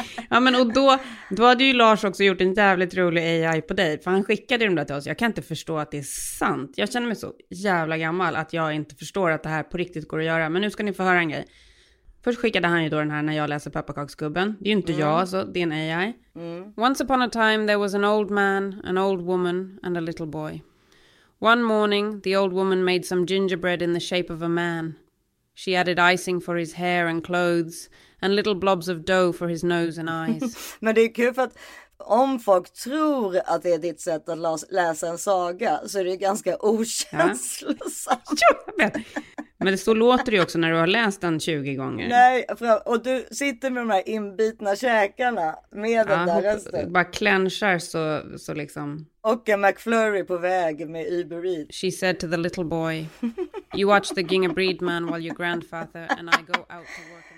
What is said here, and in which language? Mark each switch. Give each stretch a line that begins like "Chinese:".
Swedish: Ja, men och då hade ju Lars också gjort en jävligt rolig AI på dig, för han skickade dem där till oss. Jag kan inte förstå att det är sant. Jag känner mig så jävla gammal att jag inte förstår att det här på riktigt går att göra. Men nu ska ni få höra en grej. Först skickade han ju då den här när jag läser pepparkaksgubben. Det är ju inte jag, så det är en AI.
English: Once upon a time there was an old man, an old woman and a little boy. One morning the old woman made some gingerbread in the shape of a man. She added icing for his hair and clothes and little blobs of dough for his nose and eyes.
Swedish: Men det är kul, för att om folk tror att det är ditt sätt att läsa en saga, så är det ganska okänslosamt. Ja. Men så låter det också när du har läst den 20 gånger. Nej, och du sitter med de här inbitna käkarna med den där rösten. Bara klänsar så liksom. Och en McFlurry på väg med Uber Eats.
English: She said to the little boy, you watch the gingerbread man while your grandfather and I go out to work.